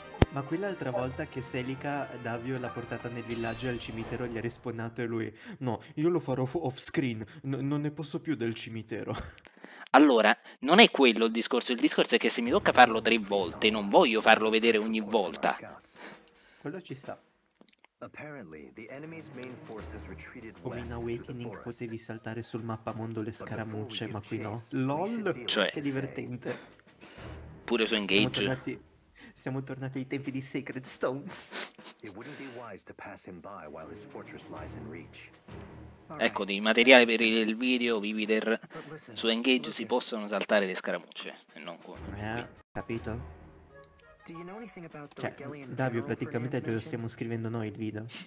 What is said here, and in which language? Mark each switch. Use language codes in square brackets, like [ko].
[it] Ma quell'altra volta che Selica Davio l'ha portata nel villaggio e al cimitero gli ha risponato e lui: no, io lo farò off screen, non ne posso più del cimitero. Allora, non è quello il discorso è che se mi tocca farlo 3 volte, non voglio farlo vedere ogni volta. Quello ci sta. [en] Apparently, the enemy's main force has retreated west. [it] Come in Awakening potevi saltare sul mappa mondo le scaramucce, ma qui no. LOL, cioè, che divertente. Pure su Engage. Siamo tornati ai tempi di Sacred Stones. [en] It wouldn't be wise to pass him by while his fortress lies in reach. [it] Ecco, di materiale per il video, Vivider, su Engage si possono saltare le scaramucce, e non con... capito? Cioè, Davio, praticamente lo stiamo scrivendo noi il video.